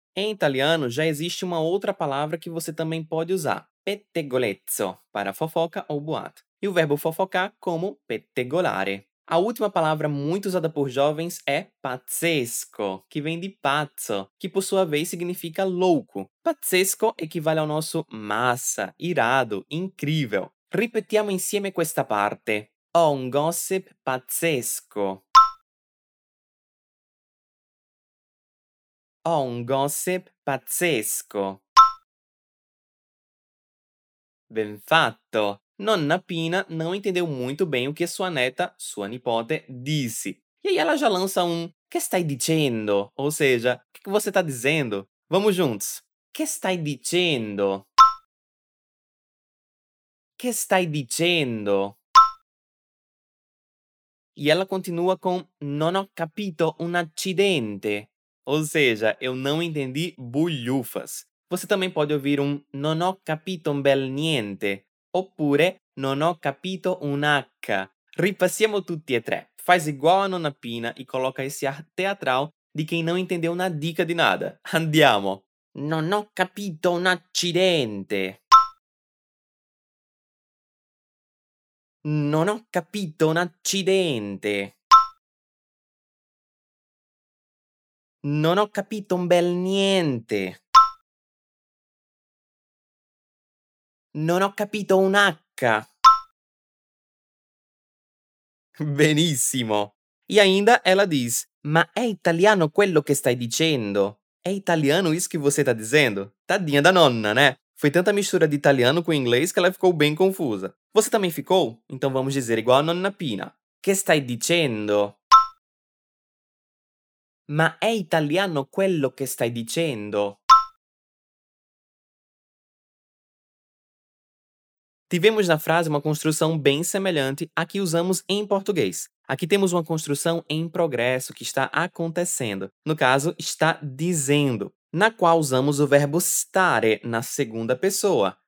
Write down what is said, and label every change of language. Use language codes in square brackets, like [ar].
[pt] Em italiano, já existe uma outra palavra que você também pode usar, pettegolezzo, para fofoca ou boato. E o verbo fofocar como pettegolare. A última palavra muito usada por jovens é pazzesco, que vem de pazzo, que por sua vez significa louco. Pazzesco equivale ao nosso massa, irado, incrível. [it] Ripetiamo insieme questa parte. Ho un gossip pazzesco. Ho un gossip pazzesco. Ben fatto! [pt] Nonna Pina não entendeu muito bem o que sua neta, sua nipote, disse. E aí ela já lança um [it] Che stai dicendo? [pt] Ou seja, o que você está dizendo? Vamos juntos. [it] Che stai dicendo? Che stai dicendo? [pt] E ela continua com [it] Non ho capito un accidente. [pt] Ou seja, eu não entendi bulhufas. Você também pode ouvir um [it] Non ho capito un bel niente. Oppure, non ho capito un H. Ripassiamo tutti e tre. [pt] Faz igual a Nonna Pina e coloca esse ar teatral de quem não entendeu na dica de nada. [it] Andiamo. Non ho capito un accidente. Non ho capito un accidente. Non ho capito un bel niente. Non ho capito un H. Benissimo. [pt] E ainda ela diz, [it] ma è italiano quello che stai dicendo? [pt] È italiano isso que você tá dizendo? Tadinha da nonna, né? Foi tanta mistura de italiano com inglês que ela ficou bem confusa. Você também ficou? Então vamos dizer igual a Nonna Pina. [it] Che stai dicendo? Ma è italiano quello che stai dicendo? [pt] Tivemos na frase uma construção bem semelhante à que usamos em português. Aqui temos uma construção em progresso, que está acontecendo. No caso, está dizendo. Na qual usamos o verbo stare na segunda pessoa.